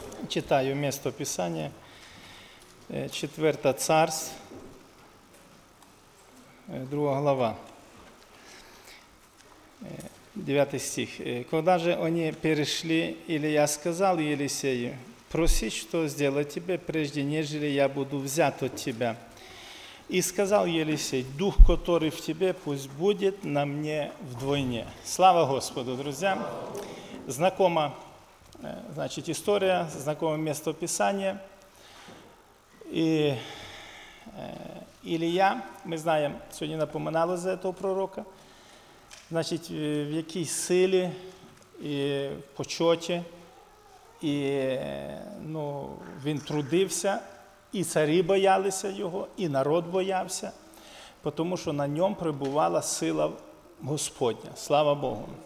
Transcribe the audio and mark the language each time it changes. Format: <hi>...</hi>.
<uk>Читаю місце Писання, 4 Царств, 2 глава, 9 стих.</uk> <ru>«Когда же они перешли, Илия сказал Елисею, проси, что сделать тебе, прежде нежели я буду взят от тебя. И сказал Елисей, дух, который в тебе, пусть будет на мне вдвойне». Слава Господу, друзья! Знакома, значит, история, знакомое место Писания. И Илия, мы знаем, сегодня напоминало за этого пророка, значит,</ru> <uk>в якій силі і в почоті, і, ну, він трудився, і царі боялися його, і народ боявся, тому що на ньому перебувала сила Господня. Слава Богу.</uk>